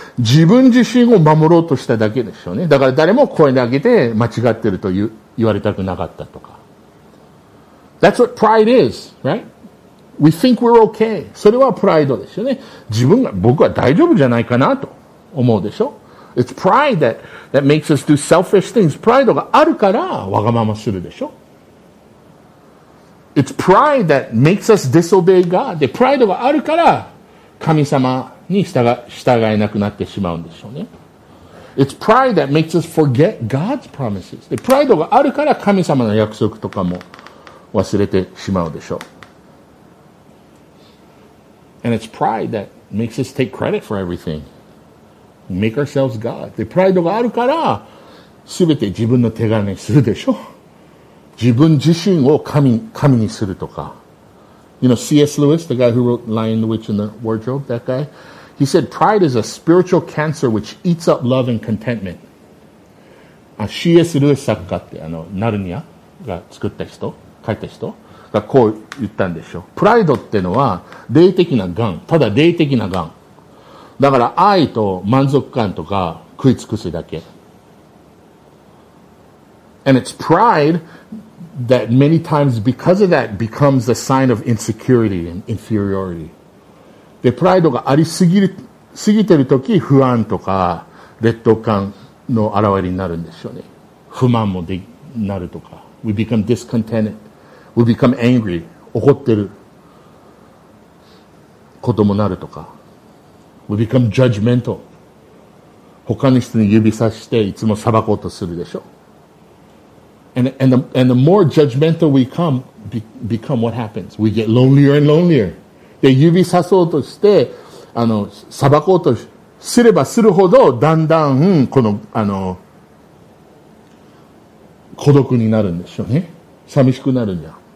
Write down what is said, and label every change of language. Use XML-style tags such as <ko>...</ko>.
<ja>自分自身を守ろうとしただけでしょうね。だから誰も声であげて間違ってると言われたくなかったとか。</ja> <en>That's what pride is, right? We think we're okay.</en> <ja>それはプライドですよね。僕は大丈夫じゃないかなと思うでしょ。</ja> <en>It's pride that makes us do selfish things.</en> <ja>プライドがあるからわがままするでしょ。</ja> <en>It's pride that makes us disobey God.</en> <ja>で、プライドがあるから神様に従えなくなってしまうんでしょうね。</ja> <en>It's pride that makes us forget God's promises.</en> <ja>で、プライドがあるから神様の約束とかも忘れてしまうでしょ。</ja> <en>And it's pride that makes us take credit for everything. Make ourselves God.</en> <ja>で、プライドがあるから、すべて自分の手柄にするでしょ。自分自身を神にするとか。</ja> <en>You know, C.S. Lewis, the guy who wrote Lion, the Witch, and the Wardrobe, that guy, he said, pride is a spiritual cancer which eats up love and contentment.</en> <ja>C.S. Lewis 作家って、ナルニアが作った人、書いた人。がこう言ったんでしょ。プライドってのは霊的な癌、ただ霊的な癌。だから愛と満足感とか食い尽くすだけ。</ja> <en>And it's pride that many times because of that becomes a sign of insecurity and inferiority.</en> <ja>で、プライドがありすぎてるとき不安とか劣等感の表れになるんですよね。不満もでなるとか。</ja> <en>We become discontented. We become angry.</en> <ja>怒ってることもなるとか。</ja> <en>We become judgmental.</en> <ja>他の人に指さしていつも裁こうとするでしょ。</ja> <en>And the more judgmental we come, become what happens. We get lonelier and lonelier.</en> <ja>で、指さそうとして、裁こうとすればするほど、だんだん、孤独になるんでしょうね。寂しくなるんじゃ。</ja>